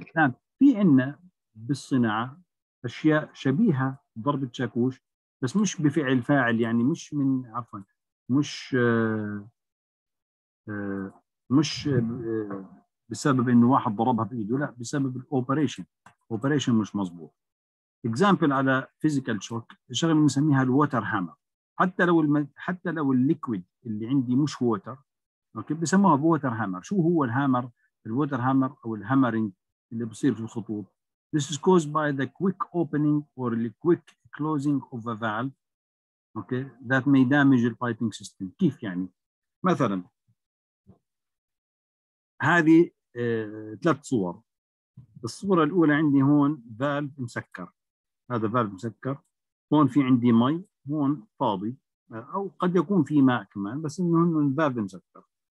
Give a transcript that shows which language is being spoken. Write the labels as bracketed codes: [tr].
[ar] الان في عندنا بالصناعة اشياء شبيهة ضربة شاكوش، بس مش بفعل فاعل، يعني مش من عفوا مش مش بسبب انه واحد ضربها بايده، لا، بسبب الاوبريشن، اوبريشن مش مظبوط. اكزامبل على فيزيكال شوك، شغله بنسميها الووتر هامر. حتى لو حتى لو الليكويد اللي عندي مش ووتر، اوكي، بسموها ووتر هامر. شو هو الهامر؟ الووتر هامر او الهامرنج اللي بصير في الخطوط. [en] This is caused by the quick opening or the quick closing of a valve. Okay, that may damage the piping system. [ar] كيف يعني؟ مثلا هذه ثلاث صور. الصورة الأولى عندي هون فالف مسكر، هذا فالف مسكر، هون في عندي مي، هون فاضي، أو قد يكون في ماء كمان، بس إنه الفالف مسكر.